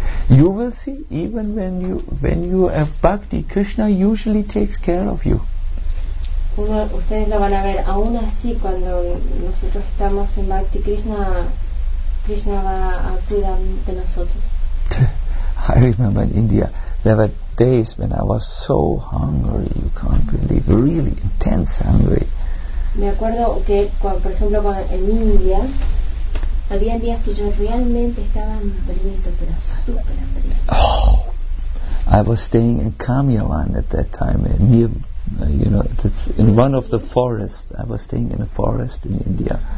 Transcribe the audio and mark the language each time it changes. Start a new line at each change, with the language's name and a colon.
English: You will see, even when you have bhakti, Krishna usually takes care of you.
Spanish: Ustedes lo van a ver, aún así cuando nosotros estamos en bhakti, Krishna va a cuidar de nosotros.
English: I remember in India, there were days when I was so hungry, you can't believe, really intense hungry.
Spanish: Me acuerdo que, por ejemplo, en India, había días que yo realmente estaba hambriento, pero súper hambriento.
English: Oh, I was staying in Kamyavan at that time, it's in one of the forests. I was staying in a forest in India.